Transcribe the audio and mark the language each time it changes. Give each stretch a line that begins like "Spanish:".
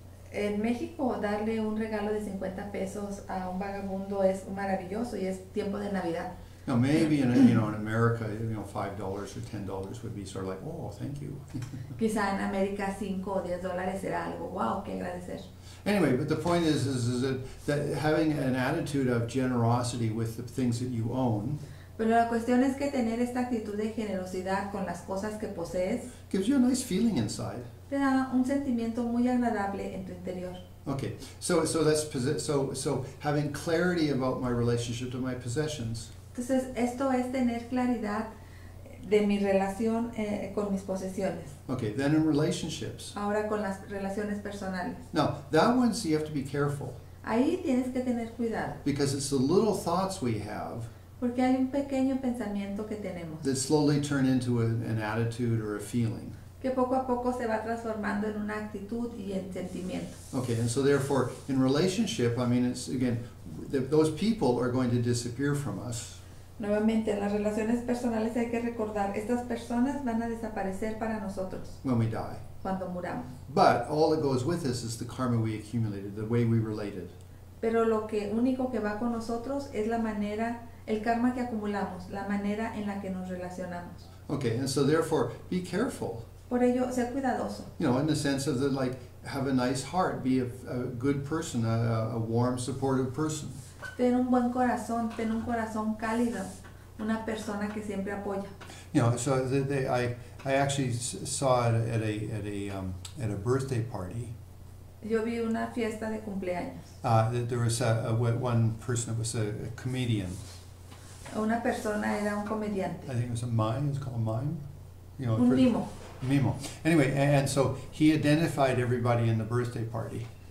Spanish: En México, darle un regalo de 50 pesos a un vagabundo es maravilloso y es tiempo de Navidad.
English: Now maybe in, you know, in America, you know, $5 or $10 would be sort of like, oh, thank you.
Spanish: Quizá en América 5 o $10 será algo. Wow, qué agradecer.
English: Anyway, but the point is that having an attitude of generosity with the things that you own
Spanish: Pero la cuestión es que tener esta actitud de generosidad con las cosas que posees
English: gives you a nice feeling inside.
Spanish: Te da un sentimiento muy agradable en tu interior.
English: Okay, so that's so having clarity about my relationship to my possessions.
Spanish: Entonces, esto es tener claridad de mi relación con mis posesiones.
English: Okay, then in relationships.
Spanish: Ahora con las relaciones personales.
English: Now, that one, so you have to be careful.
Spanish: Ahí tienes que tener cuidado.
English: Because it's the little thoughts we have
Spanish: Porque hay un pequeño pensamiento que tenemos
English: that slowly turn into an attitude or a feeling.
Spanish: Que poco a poco se va transformando en una actitud y en sentimiento.
English: Okay, and so therefore, in relationship, I mean, it's again, those people are going to disappear from us.
Spanish: Nuevamente, en las relaciones personales hay que recordar, estas personas van a desaparecer para nosotros.
English: When we die.
Spanish: Cuando muramos.
English: But all that goes with us is the karma we accumulated, the way we related.
Spanish: Pero lo que único que va con nosotros es la manera, el karma que acumulamos, la manera en la que nos relacionamos.
English: Okay, and so therefore, be careful.
Spanish: Por ello, sea cuidadoso.
English: You know, in the sense of the, like, have a nice heart, be a good person, a warm, supportive person.
Spanish: Ten un buen corazón, ten un corazón cálido, una persona que siempre apoya.
English: You know, so I actually saw it at a birthday party.
Spanish: Yo vi una fiesta de cumpleaños.
English: There was a one person that was a comedian.
Spanish: Una persona era un comediante.
English: I think it was a mime, it's called a mime. You know,
Spanish: un mimo. Mimo.
English: Anyway, and so he identified everybody in the birthday party.